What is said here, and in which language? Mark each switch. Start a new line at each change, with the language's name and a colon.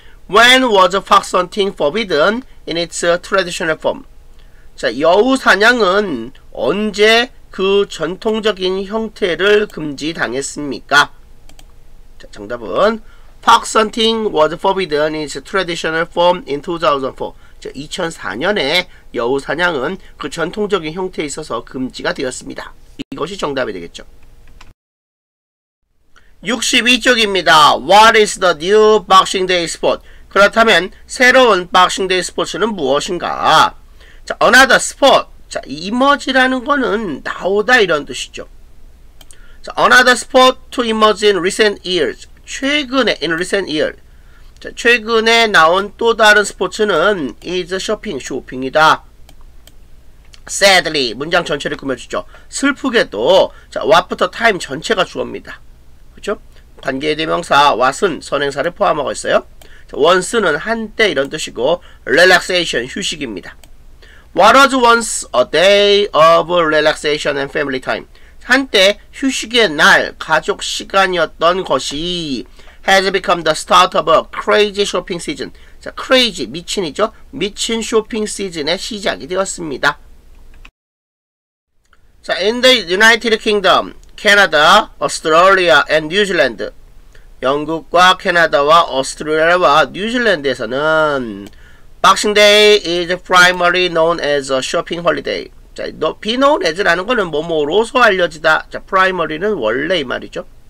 English: When was fox hunting forbidden in its traditional form?
Korean: 자, 여우 사냥은 언제 그 전통적인 형태를 금지당했습니까? 자, 정답은
English: fox hunting was forbidden in its traditional form in 2004.
Korean: 자, 2004년에 여우 사냥은 그 전통적인 형태에 있어서 금지가 되었습니다. 이것이 정답이 되겠죠. 62쪽입니다.
English: What is the new Boxing Day sport?
Korean: 그렇다면 새로운 Boxing Day sports는 무엇인가? 자, another sport. 자, emerge라는 거는 나오다 이런 뜻이죠.
English: 자, another sport to emerge in recent years.
Korean: 최근에
English: in recent year.
Korean: 자, 최근에 나온 또 다른 스포츠는
English: is shopping,
Korean: 쇼핑이다. Sadly, 문장 전체를 꾸며주죠. 슬프게도 자, what부터 time 전체가 주어입니다. 그렇죠? 관계대명사 what은 선행사를 포함하고 있어요. 자, once는 한때 이런 뜻이고 relaxation, 휴식입니다.
English: What was once a day of relaxation and family time?
Korean: 한때 휴식의 날, 가족 시간이었던 것이
English: has become the start of a crazy shopping season.
Korean: 자, crazy, 미친이죠? 미친 쇼핑 시즌의 시작이 되었습니다.
English: 자, in the United Kingdom, Canada, Australia, and New Zealand.
Korean: 영국과 캐나다와 오스트레일리아와 뉴질랜드에서는
English: Boxing Day is primarily known as a shopping holiday.
Korean: 자, be known as라는 거는 뭐뭐로서 알려지다. 자, primary는 원래 이 말이죠.